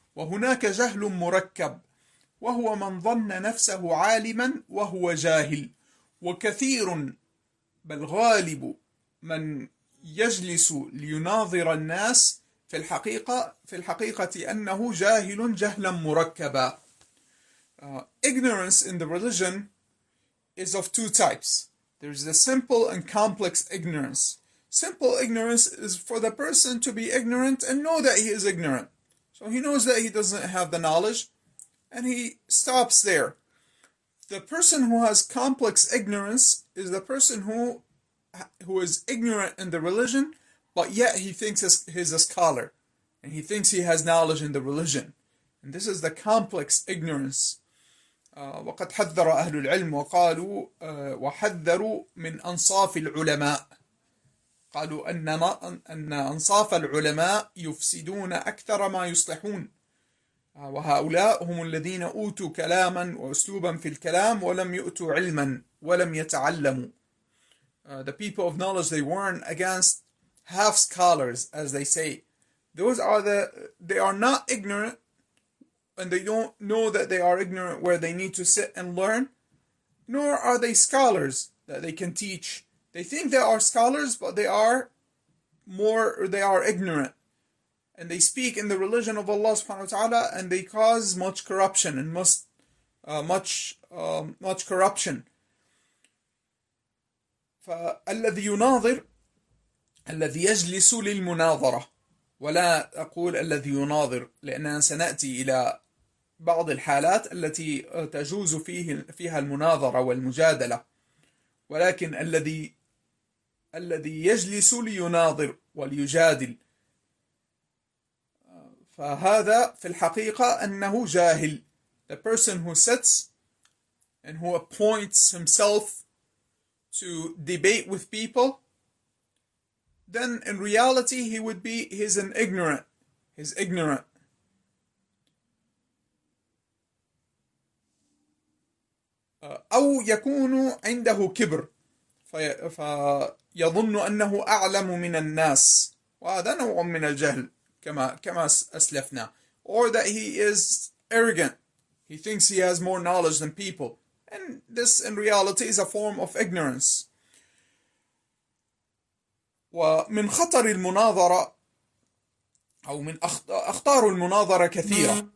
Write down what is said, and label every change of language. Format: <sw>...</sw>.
<ar>وهناك جهل مركب، وهو من ظن نفسه عالما وهو جاهل. وكثير بل غالب من يجلس ليناظر الناس في الحقيقة أنه جاهل جهلا مركبا.</ar> <en>Ignorance in the religion is of two types. There is the simple and complex ignorance. Simple ignorance is for the person to be ignorant and know that he is ignorant. So he knows that he doesn't have the knowledge and he stops there. The person who has complex ignorance is the person who is ignorant in the religion, but yet he thinks he's a scholar and he thinks he has knowledge in the religion. And this is the complex ignorance.</en> <ar>وقد حذر أهل العلم وقالوا وحذروا من أنصاف العلماء قالوا أن أنصاف العلماء يفسدون أكثر ما يصلحون وهؤلاء هم الذين أوتوا كلاما وأسلوبا في الكلام ولم يؤتوا علما ولم يتعلموا.</ar> <en>The people of knowledge, they warn against half scholars, as they say. They are not ignorant and they don't know that they are ignorant where they need to sit and learn, nor are they scholars that they can teach. They think they are scholars, but they are ignorant. And they speak in the religion of Allah subhanahu wa ta'ala, and they cause much corruption and much corruption.</en> <ar>فالذي يناظر الذي يجلس للمناظرة ولا أقول الذي يناظر لأننا سنأتي إلى بعض الحالات التي تجوز فيها المناظرة والمجادلة ولكن الذي يجلس ليناظر وليجادل فهذا في الحقيقة أنه جاهل.</ar> <en>The person who sits and who appoints himself to debate with people, then in reality he's ignorant.</en> <ar>أو يكون عنده كبر فيظن أنه أعلم من الناس وهذا نوع من الجهل كما أسلفنا.</ar> <en>Or that he is arrogant. He thinks he has more knowledge than people. And this in reality is a form of ignorance.</en> <ar>ومن خطر المناظرة أو من أخطار المناظرة كثيرة.</ar>